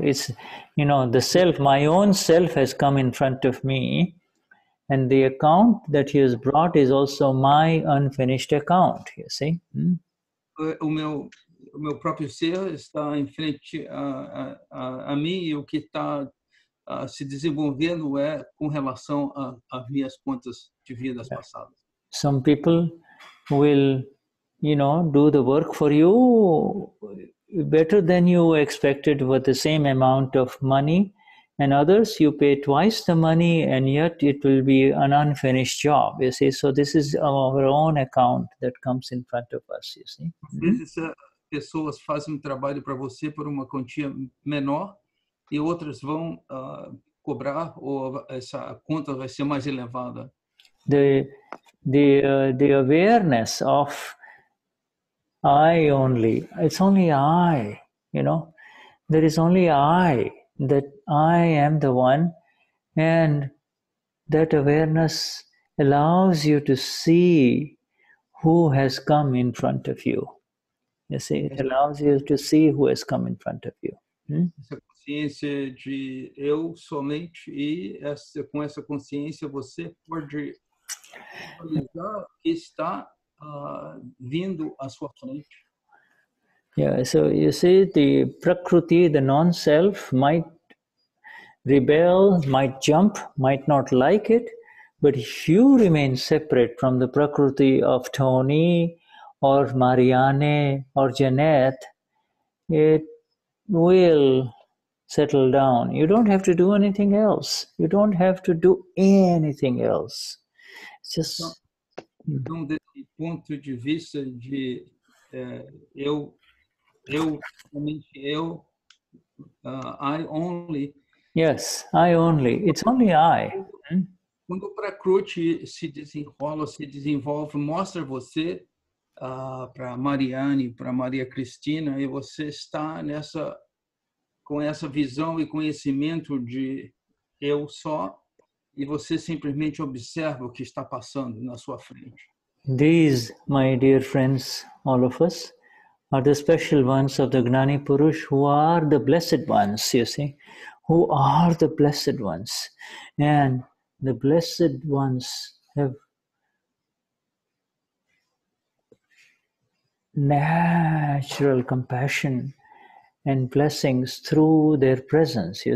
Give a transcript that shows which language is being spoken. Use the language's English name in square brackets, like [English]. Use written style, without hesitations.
[English] It's, you know, the self, my own self has come in front of me. And the account that he has brought is also my unfinished account, you see. [Portuguese] O meu próprio ser está em frente a mim e o que está se desenvolvendo é com relação a minhas contas de vidas passadas. [English] Some people will, you know, do the work for you better than you expected with the same amount of money. And others, you pay twice the money, and yet it will be an unfinished job. You see, so this is our own account that comes in front of us. You see, [Portuguese] pessoas fazem trabalho para você por uma quantia menor, e outras vão cobrar ou essa conta vai ser mais elevada. [English] The awareness of I only. It's only I. You know, there is only I. that I am the one, and that awareness allows you to see who has come in front of you. You see, it allows you to see who has come in front of you. [Portuguese] Essa consciência de eu somente, e essa, com essa consciência você pode visualizar que está vindo à sua frente. [English] Yeah, so you see, the prakriti, the non-self, might rebel, might jump, might not like it, but you remain separate from the prakriti of Tony or Marianne or Jeanette. It will settle down. You don't have to do anything else. You don't have to do anything else. It's just... [Portuguese] Então, desse ponto de vista de [English] I only. Yes, I only. It's only I. [Portuguese] Quando o prakruti se desenrola, se desenvolve, mostra você para Mariane, para Maria Cristina, e você está nessa, com essa visão e conhecimento de eu só, e você simplesmente observa o que está passando na sua frente. [English] These, my dear friends, all of us, are the special ones of the Gnani Purush, who are the blessed ones, you see, who are the blessed ones. And the blessed ones have natural compassion and blessings through their presence.